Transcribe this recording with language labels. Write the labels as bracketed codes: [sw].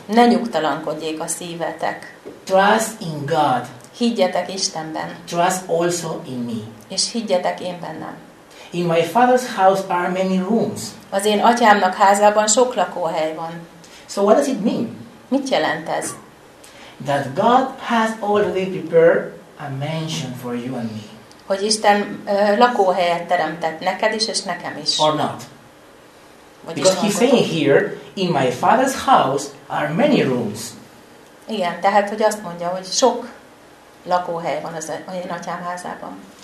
[hu] Ne nyugtalankodjék a szívetek. [en] Trust in God. [hu] Higgyetek Istenben. [en] Trust also in me. [hu] És higgyetek én bennem. [en] In my father's house are many rooms. [hu] Az én atyámnak házában sok lakóhely van. [en] So what does it mean? [hu] Mit jelent ez? [en] That God has already prepared a mansion for you and me. [hu] Hogy Isten lakóhelyet teremtett neked is és nekem is. [en] Or not? Vagy because he's saying here, in my father's house are many rooms. [hu] Igen, tehát hogy azt mondja, hogy sok lakóhely van az én atyám házában.